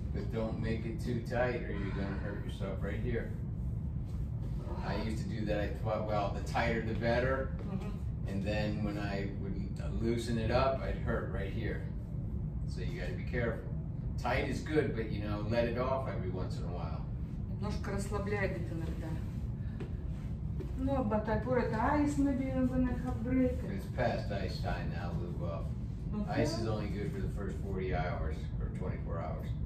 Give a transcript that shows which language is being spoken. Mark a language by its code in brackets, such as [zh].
[en] But don't make it too tight or you're gonna hurt yourself right here. I used to do that. I thought, well, the tighter the better. Mm-hmm. And then when I would loosen it up, I'd hurt right here. So you gotta be careful. Tight is good, but you know, let it off every once in a while. [ru] Немножко расслабляет это иногда. [en] Ну, but I put the ice maybe I'm gonna have break. It's past ice time now, Lou. Okay. Ice is only good for the first 40 hours or 24 hours.